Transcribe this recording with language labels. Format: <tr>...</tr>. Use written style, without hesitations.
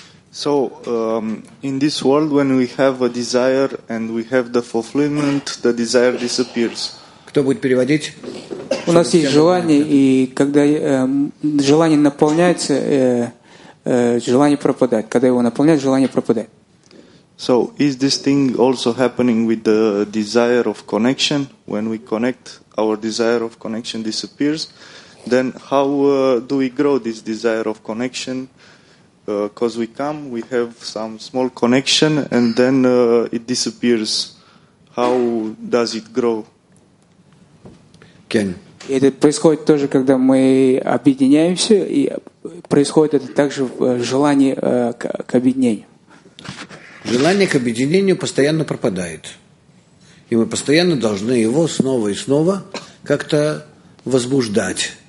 <en>So, in this world, when we have a desire and we have the fulfillment, the desire disappears.</en> <ru>Кто будет переводить? У нас есть желание, и когда желание наполняется, желание пропадает. Когда его наполняют, желание пропадает.</ru> <en>So, is this thing also happening with the desire of connection? When we connect, our desire of connection disappears. Then how do we grow this desire of connection? Because we come, we have some small connection, and then it disappears. How does it grow?</en> <he>Ken.</he> <ru>Это происходит тоже, когда мы объединяемся, и происходит это также в желании к объединению. Желание к объединению постоянно пропадает. И мы постоянно должны его снова и снова как-то возбуждать.</ru>